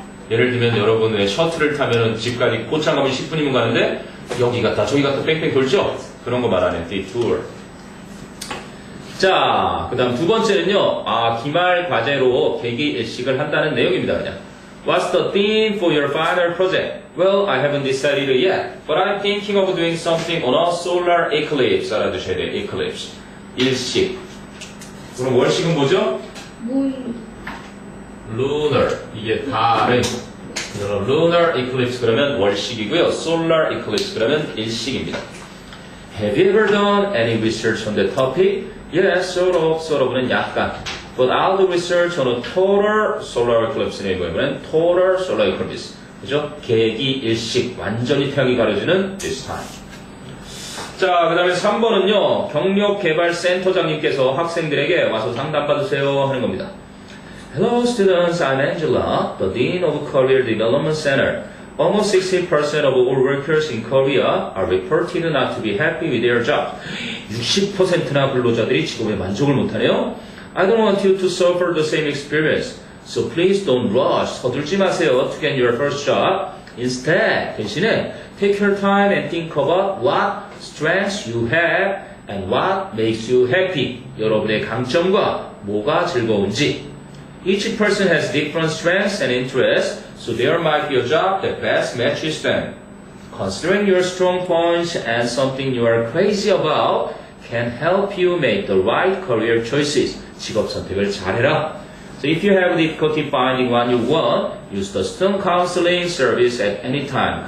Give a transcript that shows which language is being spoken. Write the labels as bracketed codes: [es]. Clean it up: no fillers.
[ko] 예를 들면 여러분 왜 셔틀을 타면은 집까지 꽃장 가면 10분이면 가는데 여기 갔다 저기 갔다 뺑뺑 돌죠? 그런 거 말하는 detour. 자, 그다음 두 번째는요. 아 기말 과제로 계기 일식을 한다는 내용입니다. [en] 그냥. What's the theme for your final project? Well, I haven't decided yet, but I'm thinking of doing something on a solar eclipse. [ko] 알아두셔야 돼요. Eclipse. 일식. 그럼 월식은 뭐죠? 루널 이게 달의 루널 이클립스 그러면 월식이고요 솔라 이클립스 그러면 일식입니다 [en] Have you ever done any research on the topic? Yes, sort of, sort of는 [ko] 약간 [en] But I'll do research on a total solar eclipse [ko] 네, 그러면 [en] total solar eclipse [ko] 그죠? 계기 일식 완전히 태양이 가려지는 [en] this time [ko] 자, 그 다음에 3번은요. 경력개발센터장님께서 학생들에게 와서 상담받으세요 하는 겁니다. [en] Hello students, I'm Angela, the Dean of Career Development Center. Almost 60% of all workers in Korea are reported not to be happy with their jobs. [ko] 60%나 근로자들이 직업에 만족을 못하네요. [en] I don't want you to suffer the same experience. So please don't rush. [ko] 서둘지 마세요. [en] To get your first job. Instead, [ko] 대신에 [en] take your time and think about what strengths you have and what makes you happy. [ko] 여러분의 강점과 뭐가 즐거운지. [en] Each person has different strengths and interests, so there might be a job that best matches them. Considering your strong points and something you are crazy about can help you make the right career choices. [ko] 직업 선택을 잘해라. [en] So if you have difficulty finding what you want, use the STEM counseling service at any time.